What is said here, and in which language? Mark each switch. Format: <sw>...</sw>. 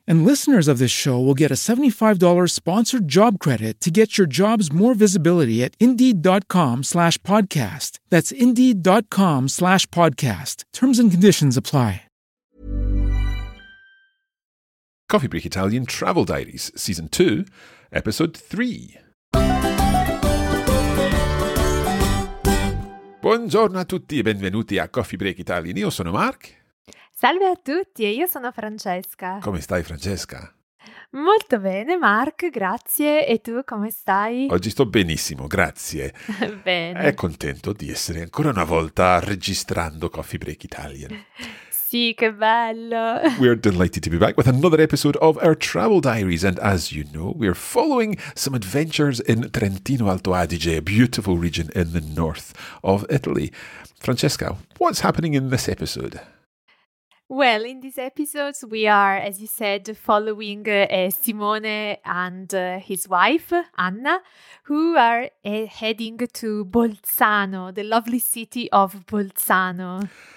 <en>And listeners of this show will get a $75 sponsored job credit to get your jobs more visibility at Indeed.com/podcast. That's Indeed.com/podcast. Terms and conditions apply. Coffee Break Italian Travel Diaries, Season 2, Episode 3.</en> <it>Buongiorno a tutti e benvenuti a Coffee Break Italian. Io sono Mark. Salve a tutti e io sono Francesca. Come stai, Francesca? Molto bene, Mark, grazie. E tu come stai? Oggi sto benissimo, grazie. Bene. E contento di essere ancora una volta registrando Coffee Break Italian. Sì, che bello.</it> <en>We're delighted to be back with another episode of our travel diaries. And as you know, we're following some adventures in Trentino Alto Adige, a beautiful region in the north of Italy. Francesca, what's happening in this episode? Well, in these episodes, we are, as you said, following Simone and his wife, Anna, who are heading to Bolzano, the lovely city of Bolzano.</en>